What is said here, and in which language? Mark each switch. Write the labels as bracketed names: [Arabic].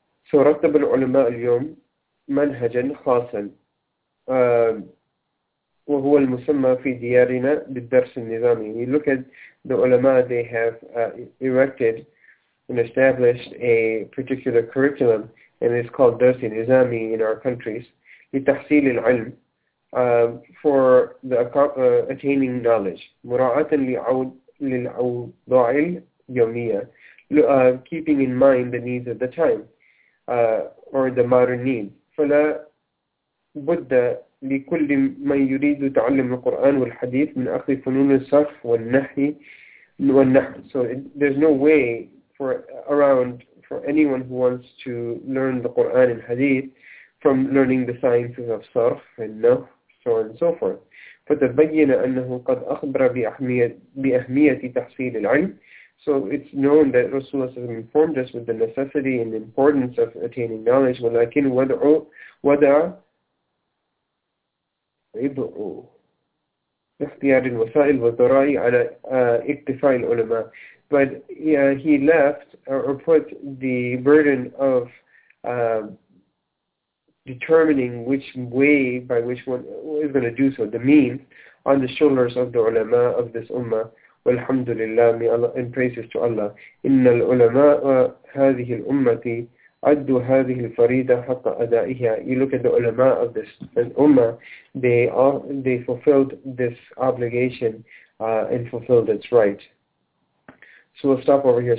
[Arabic] So رتب العلماء اليوم منهجا خاصا وهو المسمى في ديارنا بالدرس النظامي. [English] You look at the ulama, they have erected and established a particular curriculum, and it's called Dars Nizami in our countries. [Arabic] لتحصيل العلم [English] for the attaining knowledge. [Arabic] مراعاةً للأوضاع اليومية. [English] Keeping in mind the needs of the time or the modern needs. [Arabic] فلا بد لكل من يريد تعلم القرآن والحديث من أخذ فنون الصرف والنحي والنحو. [English] So there's no way for around for anyone who wants to learn the Quran and Hadith from learning the sciences of صرف and نحو so on and so forth. [Arabic] فتبين أنه قد أخبر بأهمية تحصيل العلم. [English] So it's known that Rasulullah has informed us with the necessity and importance of attaining knowledge. [Arabic] ولكن ودع عبء اختيار الوسائل والذرائع على اكتفاء العلماء. [English] But he left or put the burden of determining which way by which one is going to do so, the means, on the shoulders of the ulama of this ummah. [Arabic] والحمد لله [English] and praises to Allah. [Arabic] إن العلماء هذه الأمة أدوا هذه الفريضة حق أدائها. [English] You look at the ulama of this ummah, they fulfilled this obligation and fulfilled its right. So we'll stop over here.